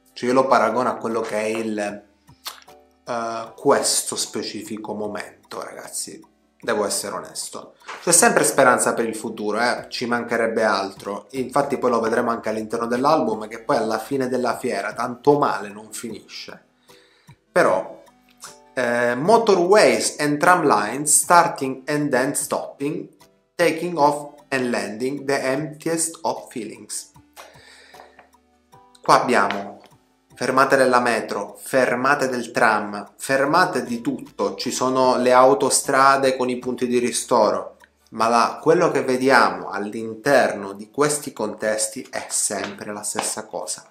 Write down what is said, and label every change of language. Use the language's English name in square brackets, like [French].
[Italian] Cioè, io lo paragono a quello che è questo specifico momento, ragazzi. Devo essere onesto. C'è sempre speranza per il futuro, ci mancherebbe altro. Infatti poi lo vedremo anche all'interno dell'album, che poi alla fine della fiera, tanto male, non finisce. Però, [English] motorways and tram lines starting and then stopping, taking off and landing, the emptiest of feelings. [Italian] Qua abbiamo fermate della metro, fermate del tram, fermate di tutto. Ci sono le autostrade con i punti di ristoro. Ma quello che vediamo all'interno di questi contesti è sempre la stessa cosa.